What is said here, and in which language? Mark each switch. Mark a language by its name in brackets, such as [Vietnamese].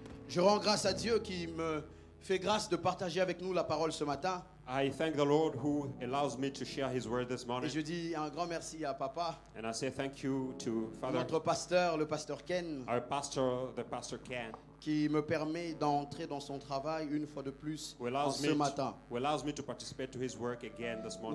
[French] Je rends grâce à Dieu qui me fait grâce de partager avec nous la parole ce matin. [English] I thank the Lord who allows me to share his word this morning. [French] Et je dis un grand merci à papa. [English] And I say thank you to Father. [French] Notre pasteur, le pasteur Ken. [English] Our pastor, the pastor Ken. [French] Qui me permet d'entrer dans son travail une fois de plus ce matin. [English] Who allows me to participate to his work again this morning.